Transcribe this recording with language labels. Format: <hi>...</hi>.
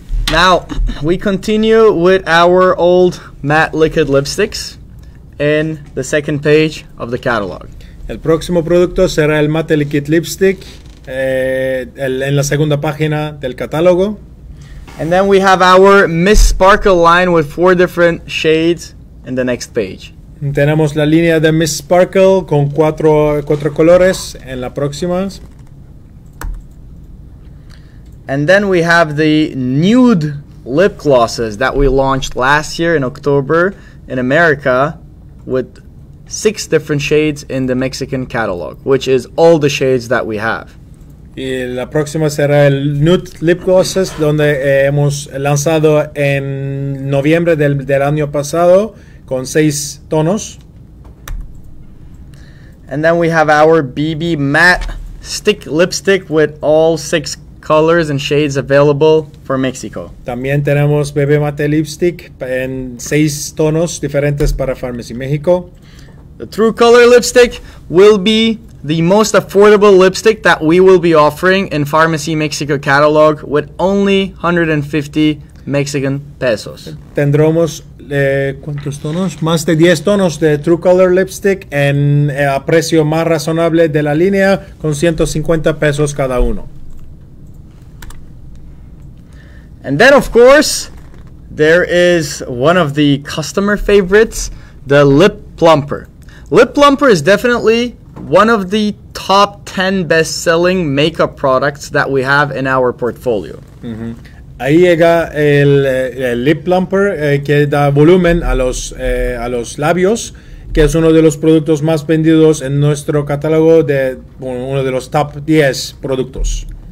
<en>Now we continue with our old matte liquid lipsticks in the second page of the catalog.</en> <es>El próximo producto será el matte liquid lipstick en la segunda página del catálogo.</es> <en>And then we have our Miss Sparkle line with four different shades in the next page.</en> <es>Tenemos la línea de Miss Sparkle con cuatro colores en la próxima.</es> <en>And then we have the nude lip glosses that we launched last year in October in America with 6 different shades in the Mexican catalog, which is all the shades that we have.</en> <es>Y la próxima será el Nude Lip Glosses, donde hemos lanzado en noviembre del año pasado con 6 tonos.</es> <en>And then we have our BB Matte Stick Lipstick with all 6 colors and shades available for Mexico.</en> <es>También tenemos BB Matte Lipstick en 6 tonos diferentes para Farmasi México.</es> <en>The True Color Lipstick will be the most affordable lipstick that we will be offering in Farmasi México catalog with only 150 Mexican pesos.</en> <es>Tendremos ¿cuántos tonos? Más de 10 tonos de True Color Lipstick en a precio más razonable de la línea con 150 pesos cada uno.</es> <en>And then of course there is one of the customer favorites, the Lip Plumper. Lip Plumper is definitely one of the top 10 best-selling makeup products that we have in our portfolio. Mm-hmm.</en> <es>Ahí llega el Lip Plumper que da volumen a los labios, que es uno de los productos más vendidos en nuestro catálogo de uno de los top 10 productos.</es>